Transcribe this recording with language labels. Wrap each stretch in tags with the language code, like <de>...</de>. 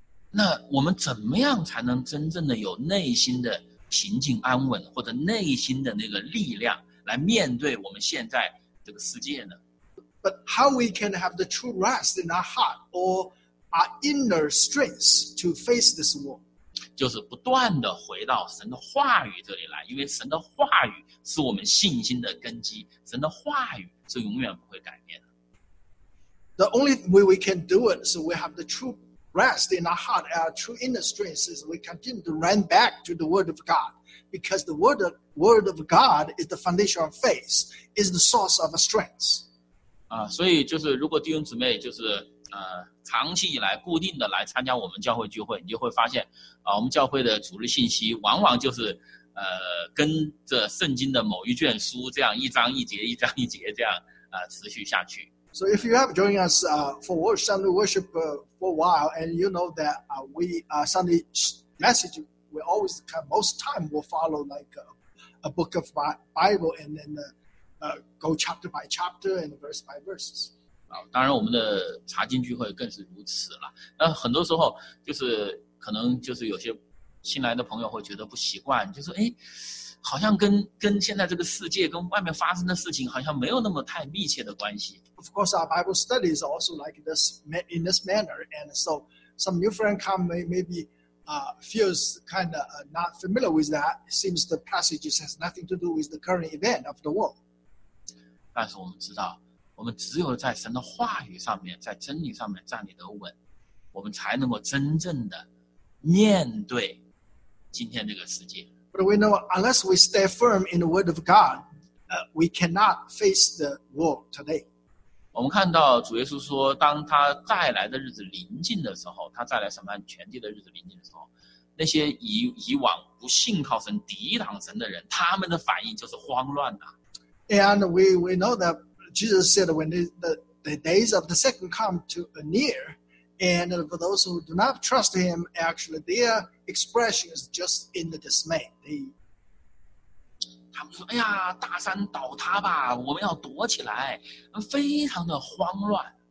<zh>那我们怎么样才能真正的有内心的平静安稳，或者内心的那个力量来面对我们现在这个世界呢？</zh> <en>But how we can have the true rest in our heart or our inner strength to face this world?</en> <zh>就是不断地回到神的话语这里来，因为神的话语是我们信心的根基，神的话语是永远不会改变的。</zh> <en>The only way we can do it is we have the true rest in our heart, our true inner strength is we continue to run back to the Word of God, because the Word of God is the foundation of faith, is the source of strength.</en> <zh>所以就是如果弟兄姊妹就是长期以来固定的来参加我们教会聚会，你就会发现我们教会的主日信息往往就是跟着圣经的某一卷书这样一章一节一章一节这样持续下去。</zh> <en>So if you have joined us for Sunday worship for a while, and you know that Sunday message will always come, most time will follow like a book of Bible, and then go chapter by chapter and verse by verse.</en> <zh>当然我们的查经聚会更是如此了。那很多时候就是可能就是有些新来的朋友会觉得不习惯，就是好像跟现在这个世界跟外面发生的事情好像没有那么太密切的关系。</zh> <en>Of course, our Bible study is also like this in this manner, and so some new friend come maybe feels kind of not familiar with that. Seems the passages has nothing to do with the current event of the world.</en> <zh>但是我们知道，我们只有在神的话语上面，在真理上面站立得稳，我们才能够真正的面对今天这个世界。</zh> <en>But we know unless we stay firm in the word of God, we cannot face the world today.</en> <zh>我们看到主耶稣说，当他再来的日子临近的时候，他再来审判全地的日子临近的时候，那些以往不信靠神、抵挡神的人，他们的反应就是慌乱的。</zh> <en>And we know that Jesus said when the days of the second come to near, and for those who do not trust him, actually they are. Expression is just in the dismay. They,</en> <zh>他们说：“哎呀，大山倒塌吧，我们要躲起来，非常的慌乱。”</zh>